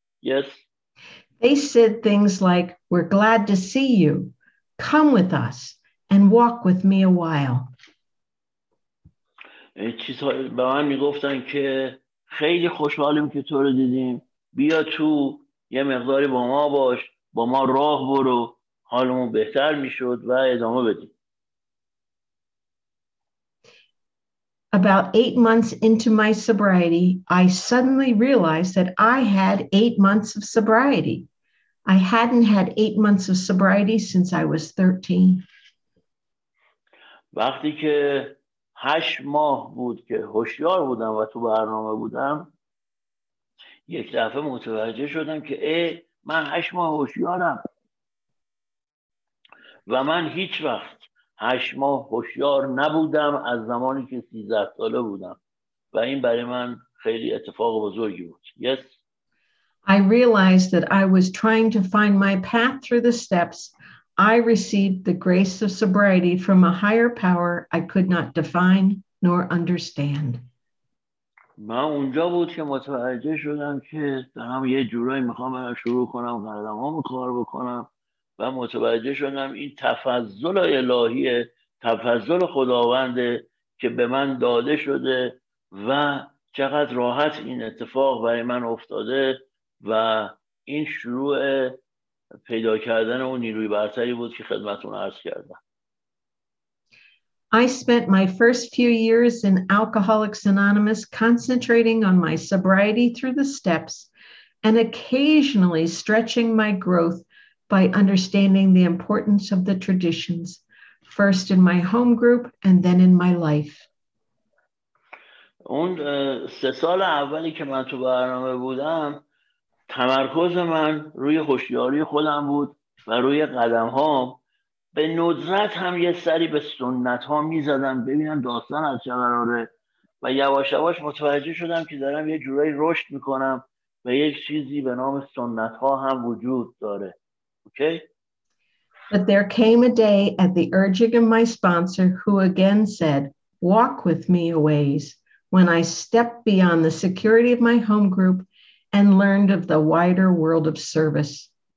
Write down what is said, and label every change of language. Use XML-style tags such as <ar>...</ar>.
<en>Yes. They said things like, "We're glad to see you. Come with us and walk with me a while."</en> <fa>چیزهایی به من میگفتن که خیلی خوشحالیم که تو رو دیدیم، بیا تو یه مقداری با ما باش، با ما راه برو، حالمون بهتر میشد و ادامه بدیم.</fa> <en>About 8 months into my sobriety, I suddenly realized that I had 8 months of sobriety. I hadn't had 8 months of sobriety since I was 13.</en> <fa>وقتی که 8 ماه بود که هوشیار بودم و تو برنامه بودم، یک دفعه متوجه شدم که من 8 ماه هوشیارم و من هیچ وقت 8 ماه هوشیار نبودم از زمانی که 13 ساله بودم و این برای من خیلی اتفاق بزرگی بود.</fa> <en>Yes. I realized that I was trying to find my path through the steps. I received the grace of sobriety from a higher power I could not define nor understand.</en> <fa>من اونجا بود که متوجه شدم که دارم یه جورایی میخوام برم شروع کنم قلمام کار بکنم و متوجه شدم این تفضل الهیه، تفضل خداونده که به من داده شده و چقدر راحت این اتفاق برای من افتاده و این شروع پیدا کردن اون نیروی برتری بود که خدمتون عرض کردم.</fa> <en>I spent my first few years in Alcoholics Anonymous concentrating on my sobriety through the steps and occasionally stretching my growth by understanding the importance of the traditions, first in my home group and then in my life.</en> <fa>اون سه سال اولی که من تو برنامه بودم تمرکز من روی هوشیاری خودم بود و روی قدم هام به ندرت هم یه سری به سنت ها می زدم ببینم داستان از چه قراره و یواش یواش متوجه شدم که دارم یه جورایی رشد می کنم و یک چیزی به نام سنت ها هم وجود داره.</fa> <en>Okay? But there came a day at the urging of my sponsor who again said, walk with me a ways, when I stepped beyond the security of my home group and learned of the wider world of service.</en>